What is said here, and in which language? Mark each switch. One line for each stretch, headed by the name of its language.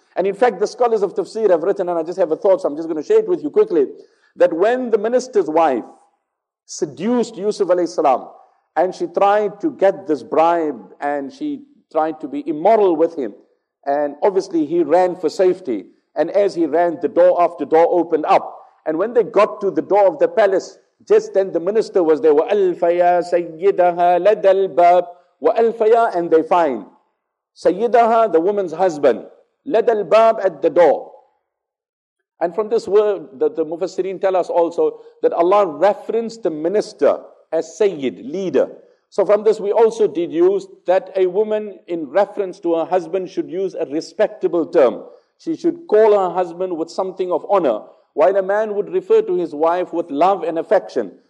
English: And in fact, the scholars of tafsir have written, and I just have a thought, so I'm just going to share it with you quickly, that when the minister's wife seduced Yusuf alayhi salam, and she tried to get this bribe, and she tried to be immoral with him, And obviously he ran for safety. And as he ran, the door after door opened up. And when they got to the door of the palace, just then the minister was there.
Arabic: وَأَلْفَ يَا سَيِّدَهَا لَدَ الْبَابِ وَأَلْفَ يَا
English: And they find
Arabic: سَيِّدَهَا,
English: the woman's husband,
Arabic: لَدَ الْبَابِ
English: at the door. And from this word, the Mufassirin tell us also that Allah referenced the minister as Sayyid, leader. So from this we also deduce that a woman in reference to her husband should use a respectable term. She should call her husband with something of honor, while a man would refer to his wife with love and affection.